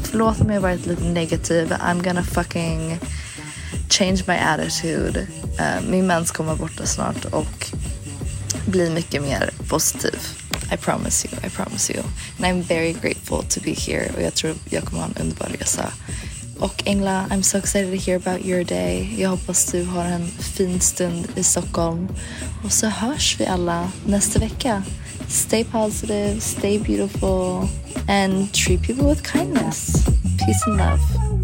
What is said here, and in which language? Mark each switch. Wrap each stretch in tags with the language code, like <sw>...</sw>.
<sv>Förlåt om jag har varit lite negativ.</sv> <en>I'm gonna fucking change my attitude.</en> <sv>Min mens kommer borta snart och bli mycket mer positiv.</sv> <en>I promise you, I promise you. And I'm very grateful to be here.</en> <sv>Och jag tror jag kommer ha en underbar resa.</sv> <en>Och Engla, I'm so excited to hear about your day.</en> <sv>Jag hoppas du har en fin stund i Stockholm. Och så hörs vi alla nästa vecka.</sv> <en>Stay positive, stay beautiful, and treat people with kindness. Peace and love.</en>